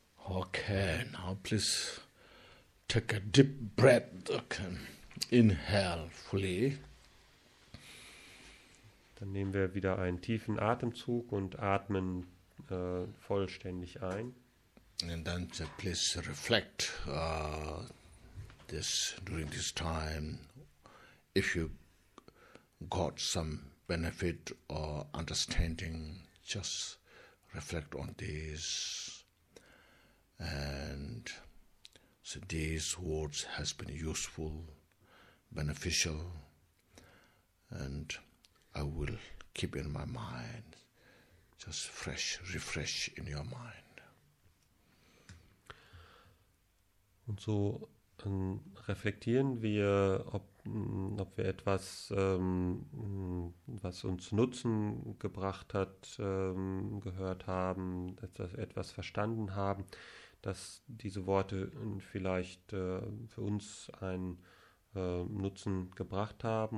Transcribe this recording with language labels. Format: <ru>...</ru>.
<en>Okay, now please take a deep breath. Okay. Inhale fully.</en> <de>Dann nehmen wir wieder einen tiefen Atemzug und atmen vollständig ein.</de> <en>And then please reflect this during this time, if you got some benefit or understanding, just reflect on this. And so these words has been useful, beneficial, and I will keep in my mind, just fresh, refresh in your mind.</en> <de>Und so reflektieren wir, ob wir etwas, was uns Nutzen gebracht hat, gehört haben, etwas verstanden haben, dass diese Worte vielleicht für uns einen Nutzen gebracht haben.</de>